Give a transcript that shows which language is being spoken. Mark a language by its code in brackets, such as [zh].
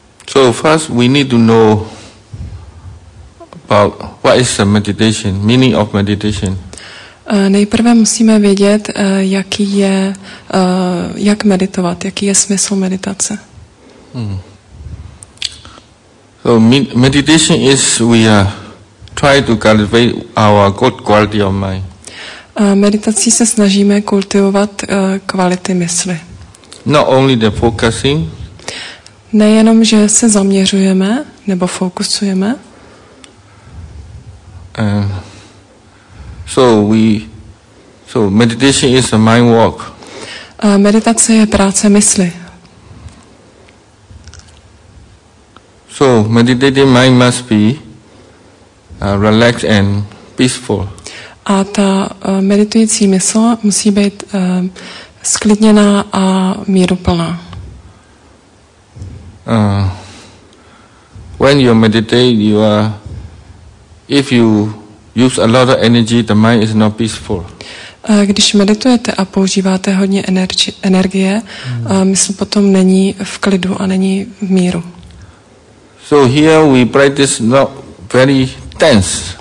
[en] So first we need to know about what is the meditation, meaning of meditation. [cs] Nejprve musíme vědět, jaký je, jak meditovat, jaký je smysl meditace. [en] So meditation is we try to cultivate our good quality of mind. [cs] Meditací se snažíme kultivovat kvality mysli. [en] Not only the focusing. [cs] Nejenom, že se zaměřujeme nebo fokusujeme. [en] So meditation is a mind walk. [cs] Meditace je práce mysli. [en] So meditating mind must be relaxed and peaceful. [cs] A ta meditující mysl musí být sklidněná a míruplná. [en] When you meditate, you are if you use a lot of energy, the mind is not peaceful. [cs] Když meditujete a používáte hodně energie, mysl potom není v klidu a není v míru. [en] So here we practice not very tense.